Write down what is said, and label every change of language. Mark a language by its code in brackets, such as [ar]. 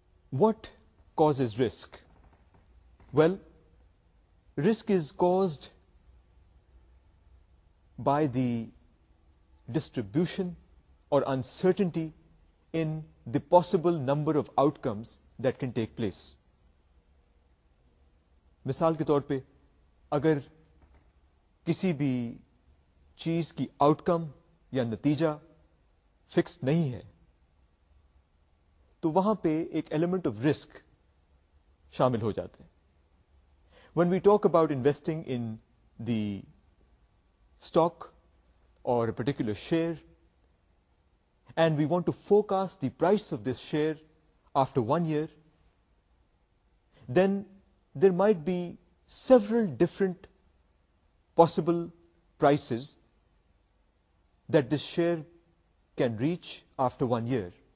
[en] What causes risk? Well, risk is caused by the distribution or uncertainty in the possible number of outcomes that can take place. [ur] مثال کے طور پہ اگر کسی بھی چیز کی آؤٹ کم یا نتیجہ فکس نہیں ہے تو وہاں پہ ایک ایلیمنٹ آف رسک شامل ہو جاتے ہیں. [en] When we talk about investing in the stock or a particular share and we want to forecast the price of this share after one year, then there might be several different possible prices that this share can reach after one year.